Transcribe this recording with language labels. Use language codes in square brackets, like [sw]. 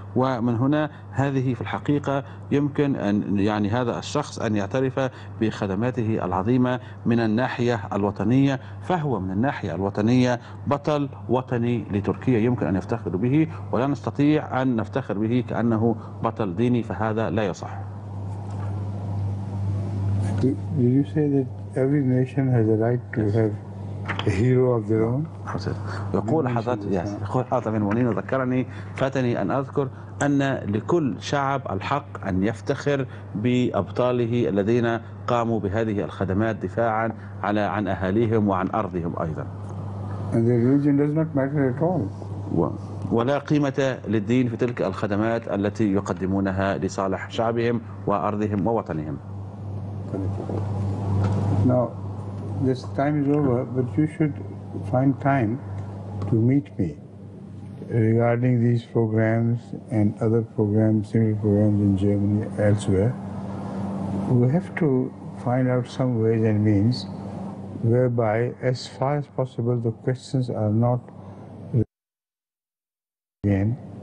[ar] ومن هنا هذه في الحقيقة يمكن أن يعني هذا الشخص أن يعترف بخدماته العظيمة من الناحية الوطنية، فهو من الناحية الوطنية بطل وطني لتركيا يمكن أن يفتخر به، ولا نستطيع أن نفتخر به كأنه بطل ديني، فهذا لا يصح. [en] Did you say that every nation has a right to have a hero of their own? [ar] يقول حضرة من المؤمنين ذكرني فاتني أن أذكر أن لكل شعب الحق أن يفتخر بأبطاله الذين قاموا بهذه الخدمات دفاعا على عن أهاليهم وعن أرضهم أيضا. [en] And the religion does not matter at all. [ar] ولا قيمة للدين في تلك الخدمات التي يقدمونها لصالح شعبهم وأرضهم ووطنهم. [en] Now, this time is over, but you should find time to meet me regarding these programs and other programs, similar programs in Germany, elsewhere. We have to find out some ways and means whereby, as far as possible, the questions are not again.